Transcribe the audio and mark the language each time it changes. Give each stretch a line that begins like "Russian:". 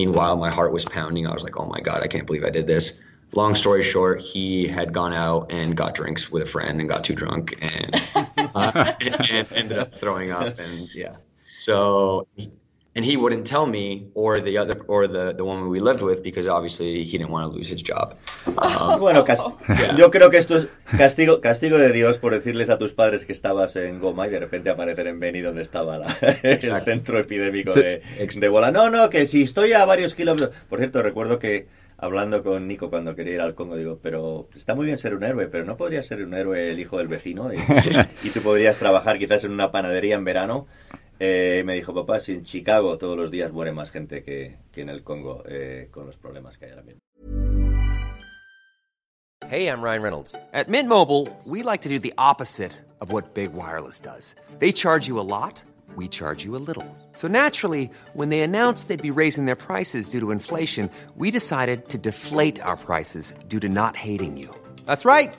English: Meanwhile, my heart was pounding. I was like, oh my God, I can't believe I did this. Long story short, he had gone out and got drinks with a friend and got too drunk and ended up throwing up. And yeah, so and he wouldn't tell me or the woman we lived with because obviously he didn't want to lose his job.
Spanish: Bueno, yo creo que esto es castigo de Dios por decirles a tus padres que estabas en Goma y de repente aparecer en Beni donde estaba el centro epidémico de bola. No, no, que si estoy a varios kilómetros. Por cierto, recuerdo que hablando con Nico cuando quería ir al Congo, digo, pero está muy bien ser un héroe, pero ¿no podría ser un héroe el hijo del vecino? Y tú podrías trabajar quizás en una panadería en verano. Me dijo, papá, si en Chicago todos los días muere más gente que en el Congo con los problemas que hay ahora mismo.
English: Hey, I'm Ryan Reynolds. At Mint Mobile, we like to do the opposite of what Big Wireless does. They charge you a lot. We charge you a little. So naturally, when they announced they'd be raising their prices due to inflation, we decided to deflate our prices due to not hating you. That's right.